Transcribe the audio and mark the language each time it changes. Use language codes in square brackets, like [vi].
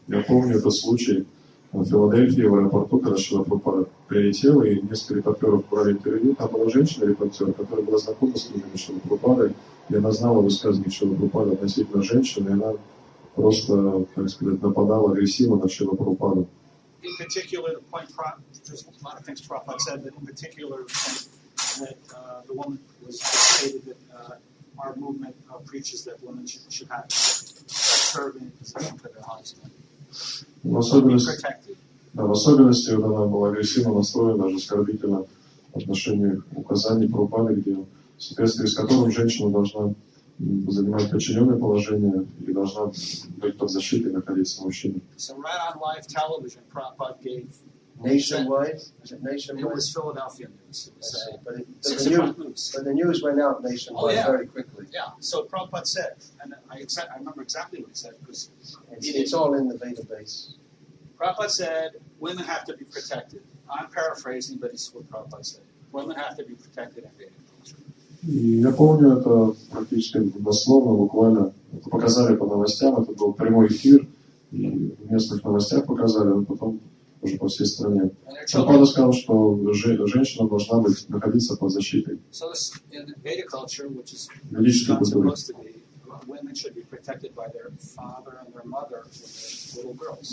[ru] Я помню этот случай в Филадельфии, в аэропорту, когда Шрила Прабхупада прилетел, и несколько репортеров брали интервью. Там была женщина-репортер, которая была знакома с людьми Шрила Прабхупады, и она знала высказывание Шрила Прабхупады относительно женщины, и она просто, так сказать, нападала агрессивно на Шрила Прабхупаду. [en] In particular, the point there's a lot of things Prabhupada said, but in particular, that the woman was stated that our movement preaches that women should have a serving position for their husband. Be protected. Да, в особенности вот она была агрессивно настроена, даже оскорбительно в отношении указаний Прабхупады, где в соответствии с которым женщина должна занимает подчиненное положение и должна быть под защитой находиться мужчиной. So right on live television, Prabhupada gave nationwide? Was it nationwide? It was Philadelphia news. But the news went out nationwide very quickly. Yeah, so Prabhupada said, and I remember exactly what he said. It's all in the Veda base. Prabhupada said, women have to be protected. I'm paraphrasing, but it's what Prabhupada said. Women have to be protected in Veda. [ru] И я помню, это практически дословно, буквально показали по новостям, это был прямой эфир, и в местных новостях показали, но потом уже по всей стране. Прабхупада сказал, что женщина должна быть, находиться под защитой. [en] So in the Veda culture, which is not supposed to be, women should be protected by their father and their mother when they're little girls.